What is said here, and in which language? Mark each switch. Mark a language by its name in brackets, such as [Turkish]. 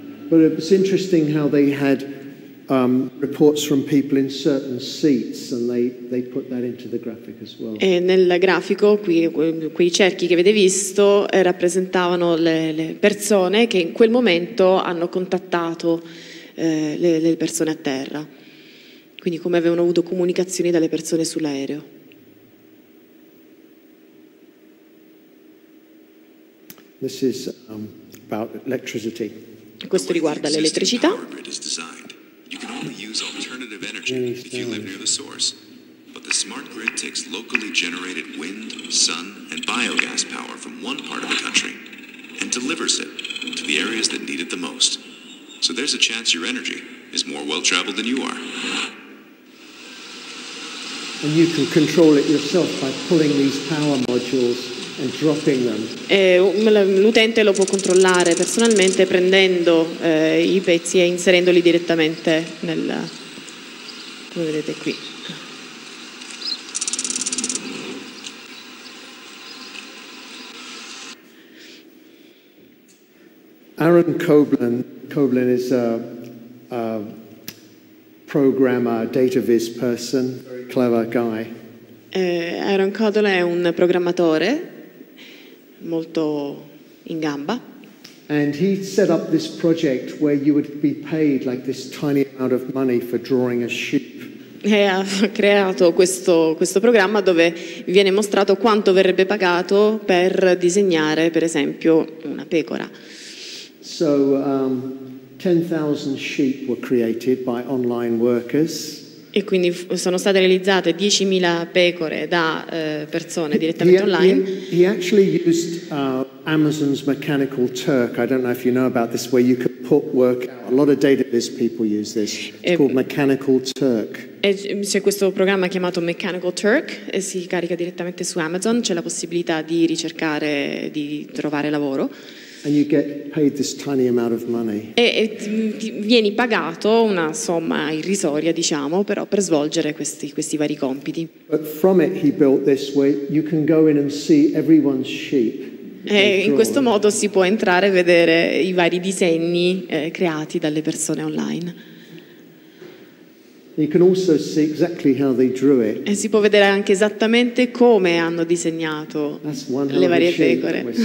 [English] But it was interesting how they had reports from people in certain seats, and they put that into the graphic as well. [Italian] E nel grafico qui, quei cerchi che avete visto rappresentavano le persone che in quel momento hanno contattato le persone a terra, quindi come avevano avuto comunicazioni dalle persone sull'aereo. [English] This is about electricity. [Italian] Questo riguarda l'elettricità. [English] You can only use alternative energy if you live near the source. But the smart grid takes locally generated wind, sun, and biogas power from one part of the country and delivers it to the areas that need it the most. So there's a chance your energy is more well-traveled than you are. And you can control it yourself by pulling these power modules and dropping them. [Italian] L'utente lo può controllare personalmente prendendo i pezzi e inserendoli direttamente nel, come vedete qui. [English] Aaron Koblen is a programmer, data viz person, very clever guy. [Italian] Aaron Koblen è un programmatore molto in gamba. [English] And he set up this project where you would be paid like this tiny amount of money for drawing a sheep. [Italian] E ha creato questo programma dove viene mostrato quanto verrebbe pagato per disegnare, per esempio, una pecora. [English] So 10,000 sheep were created by online workers. [Italian] E quindi sono state realizzate 10,000 pecore da persone direttamente online. [English] He actually used Amazon's Mechanical Turk. I don't know if you know about this, where you could put footwork. A lot of database people use this. It's called Mechanical Turk. [Italian] E c'è questo programma chiamato Mechanical Turk e si carica direttamente su Amazon. C'è la possibilità di ricercare, di trovare lavoro. [English] And you get paid this tiny amount of money. [Italian] E vieni pagato una somma irrisoria, diciamo, però per svolgere questi vari compiti. [English] But from it he built this way you can go in and see everyone's sheep. [Italian] E in questo modo si può entrare e vedere i vari disegni creati dalle persone online. [English] You can also see exactly how they drew it. [Italian] E si può vedere anche esattamente come hanno disegnato le varie pecore.